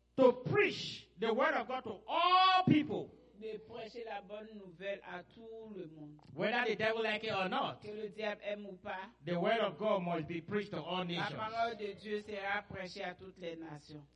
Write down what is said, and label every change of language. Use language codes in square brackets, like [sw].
[en] to preach the word of God to all people. [fr] De prêcher la bonne nouvelle à tout le monde. [en] Whether the devil like it or not. [fr] Que le diable aime ou pas. [en] The word of God must be preached to all nations. [fr] La parole de Dieu sera prêchée à toutes les nations.